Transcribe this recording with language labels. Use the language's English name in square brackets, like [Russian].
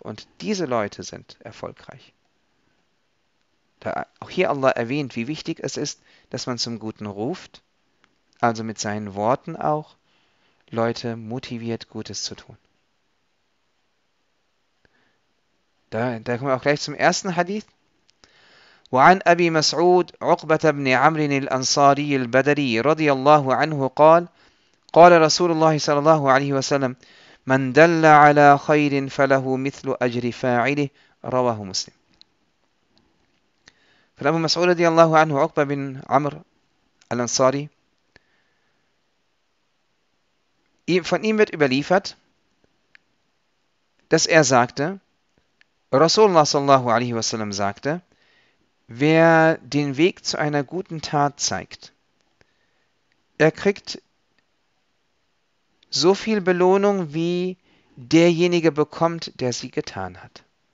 [German] Und diese Leute sind erfolgreich. Da auch hier Allah erwähnt, wie wichtig es ist, dass man zum Guten ruft, also mit seinen Worten auch, Leute motiviert, Gutes zu tun. Da kommen wir auch gleich zum ersten Hadith. [Arabic] وعن أبي مسعود عقبة بن عمرو الأنصاري البدري رضي الله عنه قال قال رسول الله صلى الله عليه وسلم من دل على خير فله مثل أجر فاعله رواه مسلم. فأبو مسعود رضي الله عنه عقبة بن عمرو الأنصاري [German] von ihm wird überliefert, dass er sagte, [Arabic] رسول الله صلى الله عليه وسلم [German] sagte, wer den Weg zu einer guten Tat zeigt, er kriegt so viel Belohnung, wie derjenige bekommt, der sie getan hat.